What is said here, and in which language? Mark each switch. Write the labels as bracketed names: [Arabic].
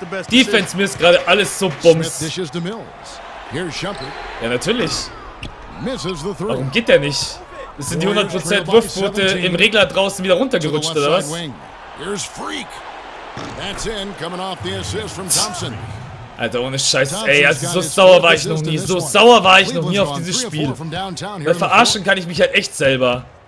[German] Defense, mir ist gerade alles so bums. Ja, natürlich. Warum geht der nicht? Das sind die 100% Wurfquote im Regler draußen wieder runtergerutscht, oder was? [English] Here's Freak. That's in, coming off the assist from Thompson. [German] Alter, ohne Scheiß, ey, also so sauer war ich noch nie, so sauer war ich noch nie auf dieses Spiel. Weil verarschen kann ich mich halt echt selber.